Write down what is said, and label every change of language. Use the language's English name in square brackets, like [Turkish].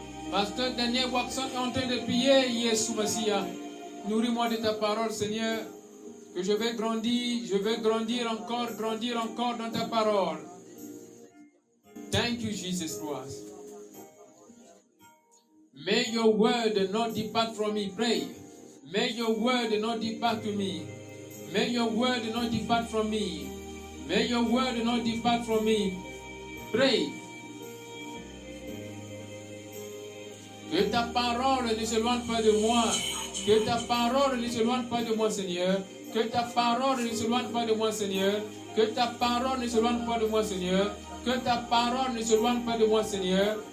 [French] Pasteur Daniel Watson est en train de prier, Yesu Messiah. Nourris-moi de ta parole, Seigneur. Que je vais grandir encore dans ta parole. [English] Thank you, Jesus Christ. May your word not depart from me, pray. May your word not depart from me. May your word not depart from me. May your word not depart from me, pray. [French] Que ta parole ne s'éloigne pas de moi. Que ta parole ne s'éloigne pas de moi, Seigneur. Que ta parole ne s'éloigne pas de moi, Seigneur. Que ta parole ne s'éloigne pas de moi, Seigneur. Que ta parole ne s'éloigne pas de moi, Seigneur.